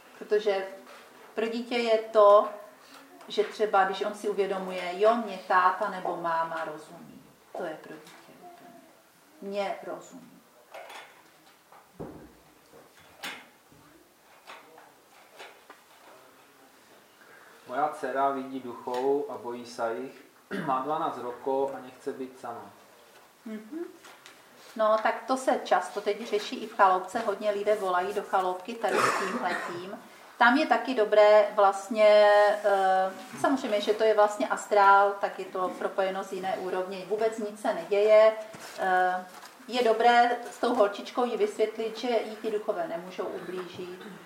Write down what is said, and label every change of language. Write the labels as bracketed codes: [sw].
[cs] Protože pro dítě je to, že třeba, když on si uvědomuje, jo, mě táta nebo máma rozumí. To je pro dítě. Mě rozumí. [sk] Moja dcera vidí duchov a bojí sa ich. Má 12 rokov a nechce byť sama. [cs] No, tak to se často teď řeší i v chaloupce. Hodně lidé volají do chaloupky tady s tímhletím. Tam je taky dobré vlastně, samozřejmě, že to je vlastně astrál, tak je to propojeno z jiné úrovně. Vůbec nic se neděje. Je dobré s tou holčičkou jí vysvětlit, že jí ty duchové nemůžou ublížit.